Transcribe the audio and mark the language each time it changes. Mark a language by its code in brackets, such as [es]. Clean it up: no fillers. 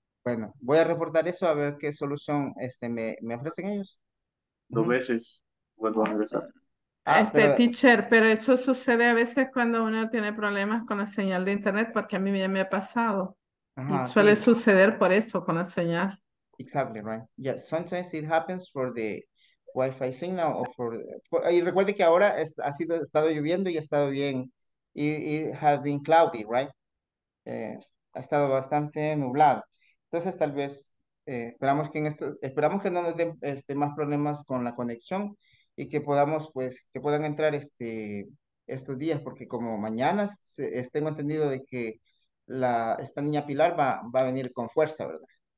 [es] Bueno, voy a reportar eso a ver qué solución me ofrecen ellos. Dos veces vuelvo a ingresar. Teacher, pero eso sucede a veces cuando uno tiene problemas con la señal de internet, porque a mí ya me ha pasado. Ajá, suele sí. Suceder por eso, con la señal. [en] Exactly, right. Yeah, sometimes it happens for the Wi-Fi signal. [es] Y recuerde que ahora ha estado lloviendo y ha estado bien. [en] It has been cloudy, right? [es] Ha estado bastante nublado. Entonces, tal vez, esperamos que no nos den más problemas con la conexión y que podamos, pues, que puedan entrar estos días, porque como mañana tengo entendido de que esta niña Pilar va a venir con fuerza, ¿verdad?